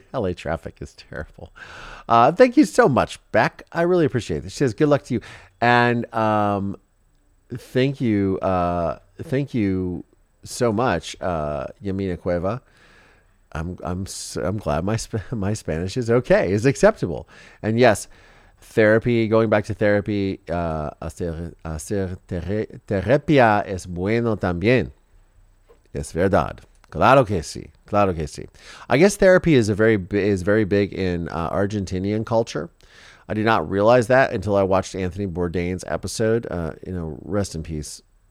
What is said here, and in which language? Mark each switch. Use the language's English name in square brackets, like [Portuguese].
[English] LA traffic is terrible. Thank you so much, Beck. I really appreciate this. She says, good luck to you. And thank you so much, Yamina Cueva. I'm glad my Spanish is okay, is acceptable. And yes, therapy, going back to therapy, [Spanish] hacer terapia es bueno también. Es verdad. Claro que sí. Claro que sí. [English] I guess therapy is very big in Argentinian culture. I did not realize that until I watched Anthony Bourdain's episode. Rest in peace.